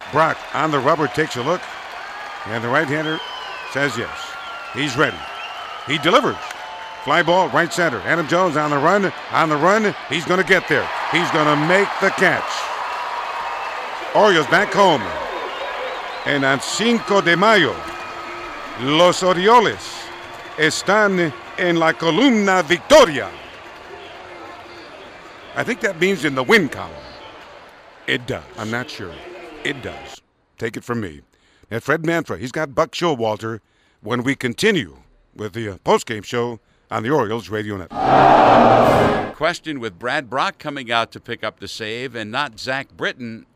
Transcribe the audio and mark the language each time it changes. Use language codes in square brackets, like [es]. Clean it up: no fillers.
[en] Brock on the rubber takes a look, and the right-hander says yes. He's ready. He delivers. Fly ball, right center. Adam Jones on the run. On the run, he's going to get there. He's going to make the catch. Orioles back home. And on [es] Cinco de Mayo, Los Orioles están en la columna Victoria. [en] I think that means in the win column. It does. I'm not sure. It does. Take it from me. And Fred Manfred, he's got Buck Showalter when we continue with the postgame show on the Orioles Radio Network. Question with Brad Brock coming out to pick up the save and not Zach Britton.